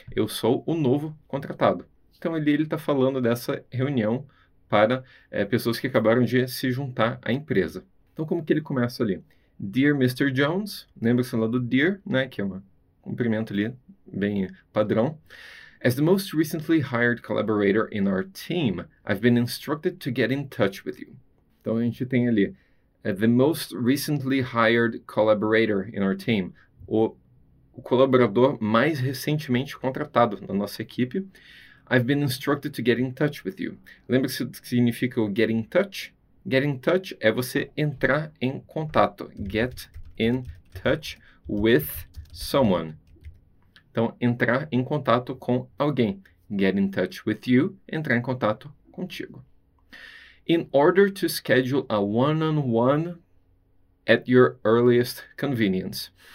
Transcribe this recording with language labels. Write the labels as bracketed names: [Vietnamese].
[Portuguese] Eu sou o novo contratado. Então ali ele está falando dessa reunião para pessoas que acabaram de se juntar à empresa. Então como que ele começa ali? Dear Mr. Jones, lembra-se lá do dear, né, que é um cumprimento ali bem padrão. [English] As the most recently hired collaborator in our team, I've been instructed to get in touch with you. [Portuguese] Então a gente tem ali, [English] the most recently hired collaborator in our team, [Portuguese] o colaborador mais recentemente contratado na nossa equipe. [English] I've been instructed to get in touch with you. [Portuguese] Lembra-se do que significa o get in touch? Get in touch é você entrar em contato. [English] Get in touch with someone. [Portuguese] Então, entrar em contato com alguém. [English] Get in touch with you. [Portuguese] Entrar em contato contigo. [English] In order to schedule a one-on-one at your earliest convenience.